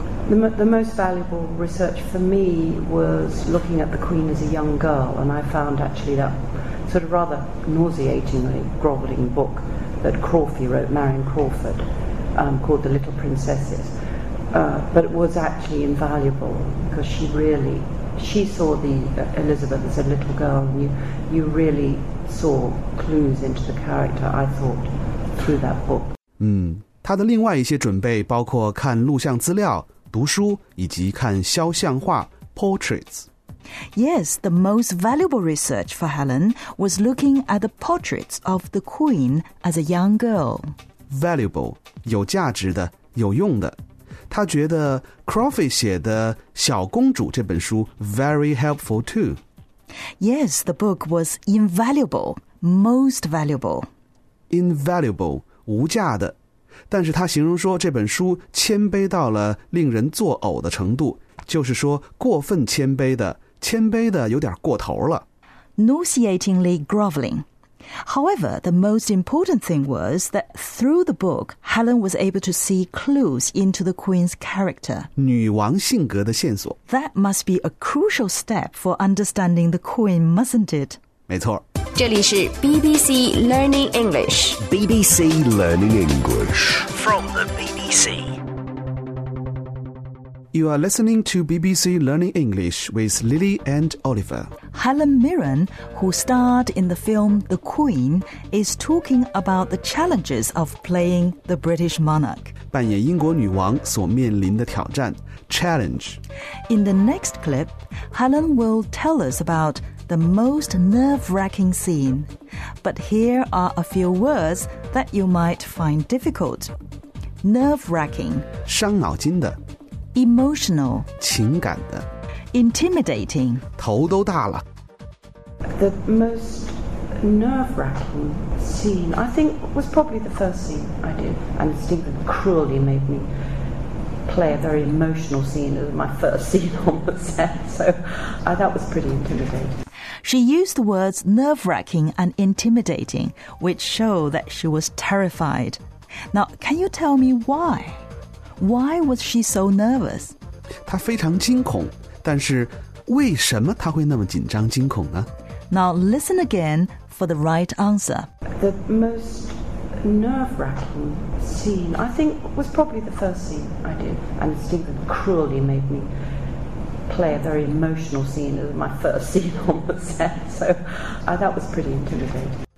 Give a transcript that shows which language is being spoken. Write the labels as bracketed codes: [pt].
[en] The most valuable research for me was looking at the Queen as a young girl, and I found actually that sort of rather nauseatingly grovelling book that Crawford wrote, Marion Crawford, called The Little Princesses. But it was actually invaluable because she saw Elizabeth as a little girl, and you really saw clues into the character, I thought, through that book. [zh] 她的另外一些准备包括看录像资料读书以及看肖像画 [en] portraits. Yes, the most valuable research for Helen was looking at the portraits of the Queen as a young girl. [zh] Valuable, 有价值的，有用的。她觉得 Crawford 写的《小公主》这本书 [en] very helpful too. Yes, the book was invaluable, most valuable. [zh] Invaluable, 无价的。但是她形容说这本书谦卑到了令人作呕的程度，就是说过分谦卑的，谦卑的有点过头了。 [en] Nauseatingly groveling. However, the most important thing was that through the book, Helen was able to see clues into the Queen's character. [zh] 女王性格的线索。 [en] That must be a crucial step for understanding the Queen, mustn't it? [zh] 没错。这里是 BBC Learning English. [en] BBC Learning English. From the BBC. You are listening to BBC Learning English with Lily and Oliver. Helen Mirren, who starred in the film The Queen, is talking about the challenges of playing the British monarch. [zh] 扮演英国女王所面临的挑战 challenge. [en] In the next clip, Helen will tell us about the most nerve-wracking scene. But here are a few words that you might find difficult. Nerve-wracking. [zh] 伤脑筋的 [en] Emotional. [zh] 情感的 [en] Intimidating. [zh] 头都大了。 [en] The most nerve-wracking scene, I think, was probably the first scene I did. And Stephen cruelly made me play a very emotional scene. It was my first scene on the set, so that was pretty intimidating. She used the words nerve-wracking and intimidating, which show that she was terrified. Now, can you tell me why? Why was she so nervous? [zh] 她非常惊恐。但是为什么他会那么紧张惊恐呢? [en] Now listen again for the right answer. The most nerve-wracking scene, I think, was probably the first scene I did. And Stephen cruelly made me play a very emotional scene. It was my first scene on the set, so that was pretty intimidating.